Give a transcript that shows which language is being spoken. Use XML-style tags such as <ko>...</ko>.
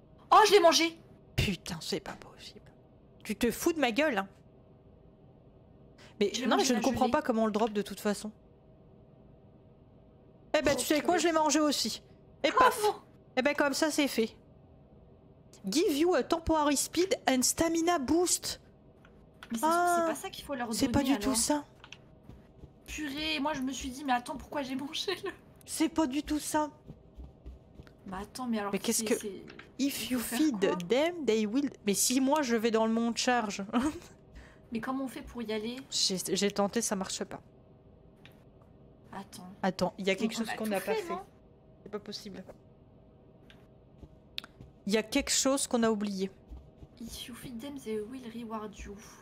<fr>Oh, je l'ai mangé! Putain, c'est pas possible. Tu te fous de ma gueule, hein? Mais je non, mais je ne comprends pas comment on le drop de toute façon. Eh ben, oh, tu sais quoi, je l'ai mangé aussi. Et paf! Oh, eh ben, comme ça, c'est fait.</fr> <en>Give you a temporary speed and stamina boost.</en> <fr>Mais c'est pas ça qu'il faut leur donner. C'est pas du alors tout ça. Purée, moi je me suis dit, mais attends, pourquoi j'ai mangé le. C'est pas du tout ça. Bah attends, mais alors. Mais qu'est-ce que.</fr> <en>If you feed them, they will.</en> <fr>Mais si moi je vais dans le monde charge. Mais comment on fait pour y aller? J'ai tenté, ça marche pas. Attends. Attends, il y a quelque chose qu'on n'a pas fait. C'est pas possible. Il y a quelque chose qu'on a oublié.</fr> <en>If you feed them, they will reward you.</en>